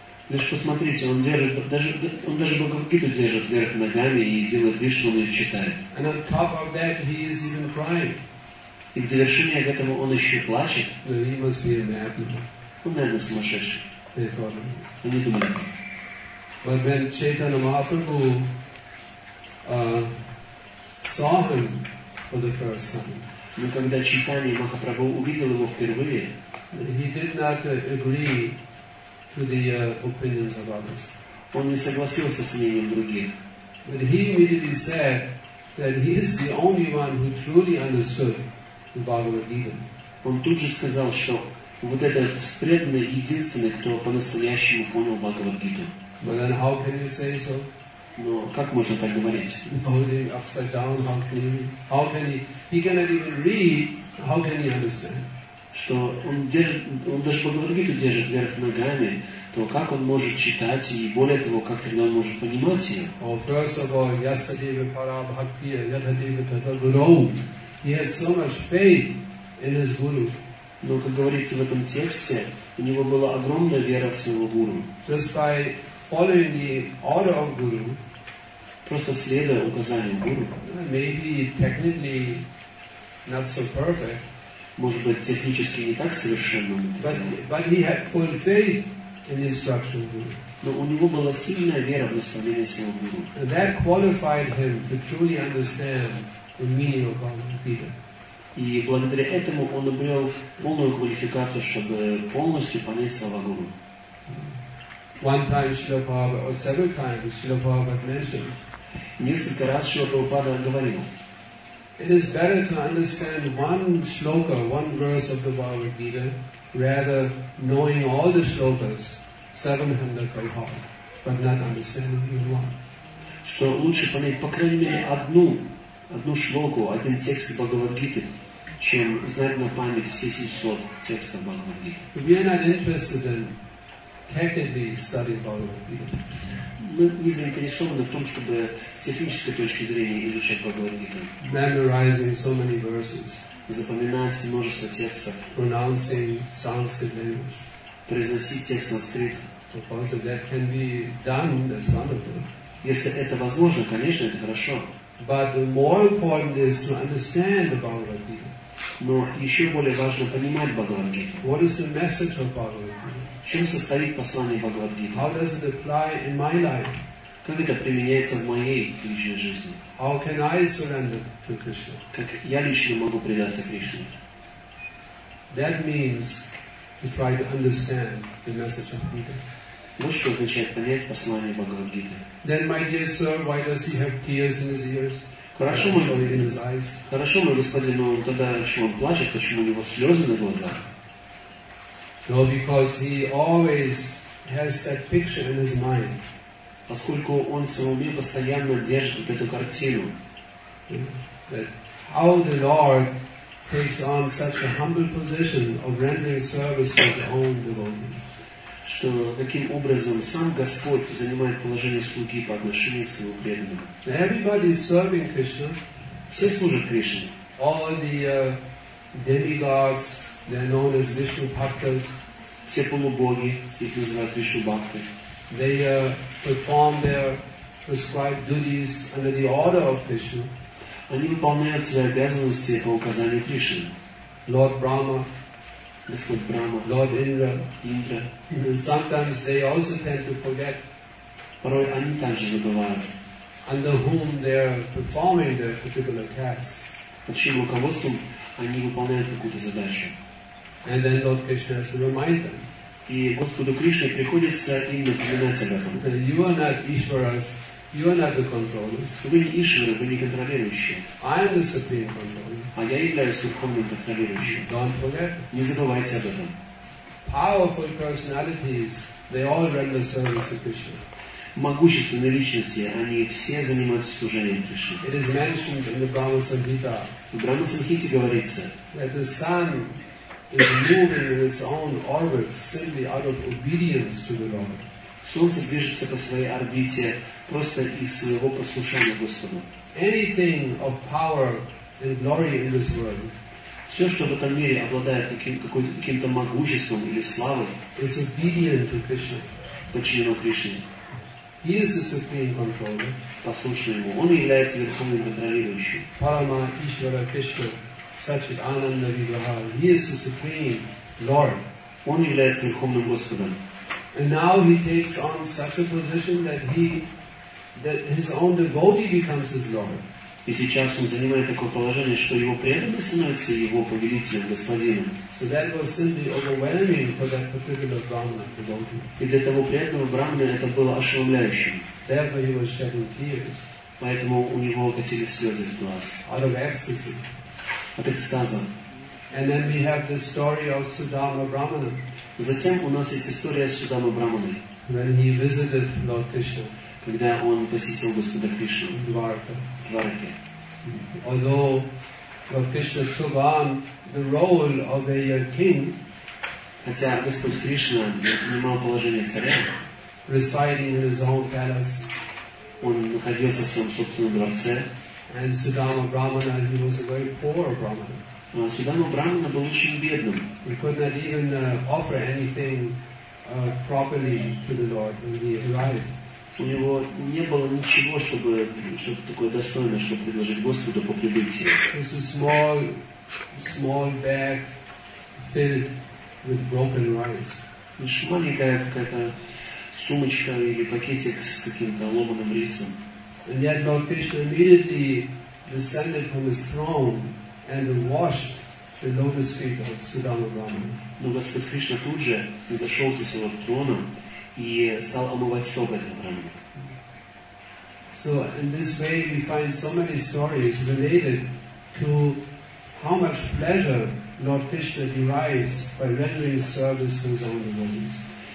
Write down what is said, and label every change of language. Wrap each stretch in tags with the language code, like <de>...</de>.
<ru>Лишь посмотрите, он держит, даже Бхагавад-гиту держит вверх ногами и делает вид, что он ее читает.</ru> <en>And on top of that, he is even crying.</en> <ru>И в довершение к этому он еще плачет.</ru> <en>So he must be a madman.</en> <ru>Он, наверное, сумасшедший.</ru> <en>They thought he was.</en> <ru>Они думали.</ru> <en>But when Chaitanya Mahaprabhu saw him for the first time,</en> <ru>но когда Чайтанья Махапрабху увидел его впервые,</ru> <en>he did not agree to the opinions of others.</en> <ru>Он не согласился с мнением других.</ru> <en>But he immediately said that he is the only one who truly understood the Bhagavad Gita.</en> <ru>Он тут же сказал, что вот этот преданный единственный, кто по-настоящему понял Бхагавад Гиту.</ru> <en>But then how can you say so?</en> <ru>Но как можно так говорить?</ru> <en>Upside down, how can he? How can he? He cannot even read. How can he understand?</en> <ru>Что он держит, он даже Бхагавад-гиту держит вверх ногами, то как он может читать и более того, как тогда он может понимать ее?</ru> <en>Oh, first of all,</en> <sa>yasadeva para bhaktiya, yathadeva tata guru.</sa> <en>He had so much faith in his guru.</en> <ru>Но, как говорится в этом тексте, у него была огромная вера в своего гуру.</ru> <en>Just by following the order of guru,</en> <ru>просто следуя указаниям гуру,</ru> <en>maybe technically not so perfect,</en> <ru>может быть, технически не так совершенно,</ru> <en>but he had full faith in the instruction of guru.</en> <ru>Но у него была сильная вера в наставление своего гуру.</ru> <en>And that qualified him to truly understand the meaning of Bhagavad Gita.</en> <ru>И благодаря этому он обрел полную квалификацию, чтобы полностью понять слова гуру.</ru> <en>One time Srila Prabhupada, or several times Srila Prabhupada mentioned.</en> <ru>Несколько раз Srila Prabhupada говорил.</ru> <en>It is better to understand one shloka, one verse of the Bhagavad Gita, rather knowing all the shlokas, 700 by heart, but not understanding even one.</en> <ru>Что лучше понять, по крайней мере, одну шлоку, один текст Бхагавад Гиты, чем знать на память все 700 текстов Бхагавад Гиты.</ru> <en>We are not interested in technically studying Bhagavad Gita.</en> <ru>Мы не заинтересованы в том, чтобы с технической точки зрения изучать Бхагавад Гиту.</ru> <en>Memorizing so many verses.</en> <ru>Запоминать множество текстов.</ru> <en>Pronouncing Sanskrit language.</en> <ru>Произносить текст санскрит.</ru> <en>Suppose that can be done, that's wonderful.</en> <ru>Если это возможно, конечно, это хорошо.</ru> <en>But the more important is to understand the Bhagavad Gita.</en> <ru>Но еще более важно понимать Бхагавад Гиту.</ru> <en>What is the message of Bhagavad Gita?</en> <ru>В чем состоит послание Бхагавад Гиты?</ru> <en>How does it apply in my life?</en> <ru>Как это применяется в моей личной жизни?</ru> <en>How can I surrender to Krishna?</en> <ru>Как я лично могу предаться Кришне?</ru> <en>That means to try to understand the message of Gita.</en> <ru>Вот что означает понять послание Бхагавад Гиты.</ru> <en>Then, my dear sir, why does he have tears in his ears?</en> <ru>Хорошо, хорошо, мой господин, но тогда почему он плачет? Почему у него слезы на глазах?</ru> <en>No, because he always has that picture in his mind.</en> <ru>Поскольку он в своем уме постоянно держит вот эту картину.</ru> <en>That how the Lord takes on such a humble position of rendering service to his own devotees.</en> <ru>Что каким образом сам Господь занимает положение слуги по отношению к своему преданному.</ru> <en>Everybody is serving Krishna.</en> <ru>Все служат Кришне.</ru> <en>All the demigods, they are known as Vishnu Bhaktas.</en> <ru>Все полубоги, их называют Вишну Бхакты.</ru> <en>They perform their prescribed duties under the order of Krishna.</en> <ru>Они выполняют свои обязанности по указанию Кришны.</ru> <en>Lord Brahma.</en> <ru>Господь Брама.</ru> <en>Lord Indra.</en> <ru>Indra.</ru> <en>And sometimes they also tend to forget.</en> <ru>Порой они также забывают.</ru> <en>Under whom they are performing their particular task.</en> <ru>Под чьим руководством они выполняют какую-то задачу.</ru> <en>And then Lord Krishna has to remind them.</en> <ru>И Господу Кришне приходится им напоминать об этом.</ru> <en>You are not Ishwaras, you are not the controllers.</en> <ru>Вы не Ishwara, вы не контролирующие.</ru> <en>I am the supreme controller.</en> <ru>А я являюсь верховным контролирующим.</ru> <en>Don't forget.</en> <ru>Не забывайте об этом.</ru> <en>Powerful personalities, they all render service to Krishna.</en> <ru>Могущественные личности, они все занимаются служением Кришне.</ru> <en>It is mentioned in the Brahma Samhita.</en> <ru>В Брахма Самхите говорится.</ru> <en>That the sun is moving in its own orbit simply out of obedience to the Lord.</en> <ru>Солнце движется по своей орбите просто из своего послушания Господу.</ru> <en>Anything of power and glory in this world.</en> <ru>Все, что в этом мире обладает каким-то могуществом или славой,</ru> <en>is obedient to Krishna.</en> <ru>Подчинено Кришне.</ru> <en>He is the supreme controller.</en> <ru>Послушно ему. Он является верховным контролирующим.</ru> <sa>Parama Ishvara Krishna Sachit Ananda Vigraha.</sa> <en>He is the supreme Lord.</en> <ru>Он является верховным Господом.</ru> <en>And now he takes on such a position that he, that his own devotee becomes his Lord.</en> <ru>И сейчас он занимает такое положение, что его преданный становится его повелителем, господином.</ru> <en>So that was simply overwhelming for that particular Brahmana devotee.</en> <ru>И для того преданного Брахмана это было ошеломляющим.</ru> <en>Therefore he was shedding tears.</en> <ru>Поэтому у него катились слезы из глаз.</ru> <en>Out of ecstasy.</en> <ru>От экстаза.</ru> <en>And then we have the story of Sudama Brahmana.</en> <ru>Затем у нас есть история с Судама Брахманой.</ru> <en>When he visited Lord Krishna.</en> <ru>Когда он посетил Господа Кришну.</ru> <en>Dwarka.</en> <ru>Dwarka.</ru> <en>Although Lord Krishna took on the role of a king,</en> <ru>хотя Господь Кришна занимал положение царя,</ru> <en>residing in his own palace,</en> <ru>он находился в своем собственном дворце,</ru> <en>and Sudama Brahmana, he was a very poor Brahmana.</en> <ru>Sudama Brahmana был очень бедным.</ru> <en>He could not even offer anything properly to the Lord when he arrived.</en> <ru>У него не было ничего, чтобы что-то такое достойное, чтобы предложить Господу по прибытии.</ru> <en>This is small, small bag filled with broken rice.</en> <ru>Лишь маленькая какая-то сумочка или пакетик с каким-то ломаным рисом.</ru> <en>And yet Lord Krishna immediately descended from his throne and washed the lotus feet of Sudama Brahmana.</en> <ru>Но Господь Кришна тут же зашел со своего трона и стал омывать стопы этого брахмана.</ru> <en>So in this way we find so many stories related to how much pleasure Lord Krishna derives by rendering service to his own devotees.</en>